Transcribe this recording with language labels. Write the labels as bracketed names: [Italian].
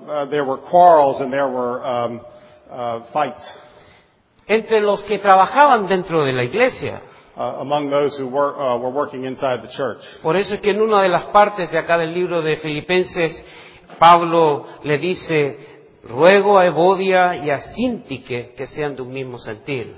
[English] There were quarrels and there were fights. [Spanish] Entre los que trabajaban dentro de la iglesia. [English] Among those who were working inside the church. [Spanish] Por eso es que en una de las partes de acá del libro de Filipenses, Pablo le dice, ruego a Evodia y a Sintique que sean de un mismo sentir.